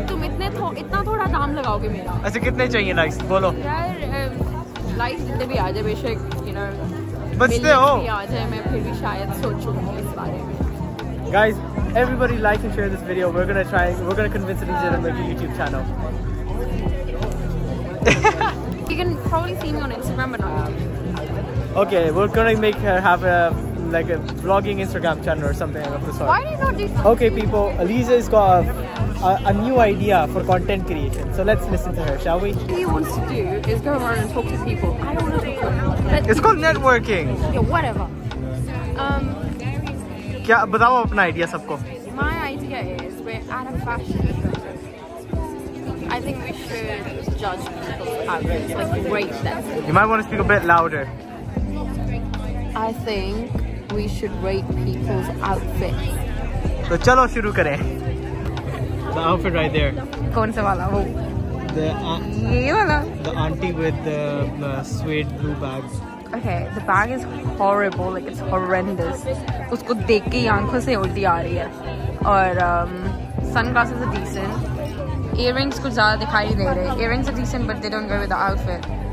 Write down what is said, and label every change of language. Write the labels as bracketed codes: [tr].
[hi] तुम इतने तो इतना थोड़ा दाम लगाओगे मेरा? ऐसे कितने चाहिए likes? बोलो. यार likes जितने भी आ जाए बेशक, [en] you know. But still. [hi] मिलने भी आ जाए मैं फिर भी शायद सोचूंगी इस बारे में. [en] Guys. Everybody like and share this video. We're gonna convince Elise to make a YouTube channel. You can probably see me on Instagram, but not YouTube. Okay, we're gonna make her have a vlogging Instagram channel or something of the sort. Why do you not do that? Okay, people, Elise's got a new idea for content creation. So let's listen to her, shall we? What he wants to do is go around and talk to people. I don't want to talk. It's called networking. Yeah, whatever. [hi] क्या बताओ अपना idea सबको. [en] My idea is we're out of fashion. I think we should judge people's outfits, like rate them. You might want to speak a bit louder. I think we should rate people's outfits. [hi] तो चलो शुरू करें. [en] The outfit right there. [hi] कौन सा वाला वो? [en] The [hi] ये वाला. [en] The auntie with the suede blue bags. Okay, the bag is horrible, like it's horrendous. [hi] उसको देख के आँखों से उल्टी आ रही है. [en] और sunglasses are decent. [hi] Earrings कुछ ज़्यादा दिखाई नहीं रहे. [en] Earrings are decent, but they don't go with the outfit.